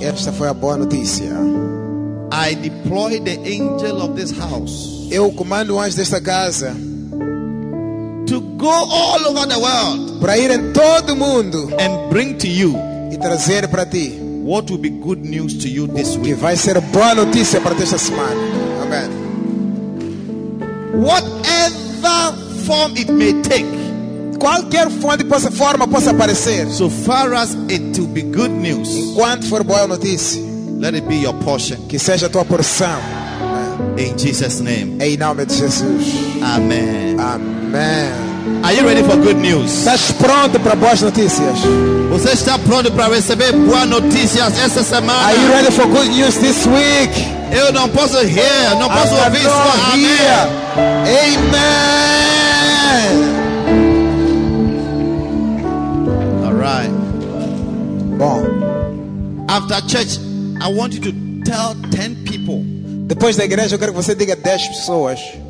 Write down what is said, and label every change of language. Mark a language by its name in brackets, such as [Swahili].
[Portuguese] Esta foi a boa notícia. [English] I deploy the angel of this house. [Portuguese] Eu comando o anjo desta casa. [English] To go all over the world. [Portuguese] Para ir em todo o mundo. [English] And bring to you. [Portuguese] E trazer para ti. [English] What will be good news to you this week? [Portuguese] Que vai ser boa notícia para esta semana. [English] Amen. Whatever form it may take. [Portuguese] Qualquer forma possa aparecer. [English] So far as it will be good news. [Portuguese] Enquanto for boa notícia. [English] Let it be your portion. [Portuguese] Que seja a tua porção. [English] In Jesus' name. [Portuguese] Em nome de Jesus. [English] Amen. Amen. Are you ready for good news? [Portuguese] Estás pronto para boas notícias? Você está pronto para receber boas notícias essa semana? [English] Are you ready for good news this week? [Portuguese] Eu não posso hear, não posso ouvir isso. Amém. Amen. [English] All right. [Portuguese] Bom. [English] After church, I want you to tell 10 people. [Portuguese] Depois da igreja, eu quero que você diga 10 pessoas.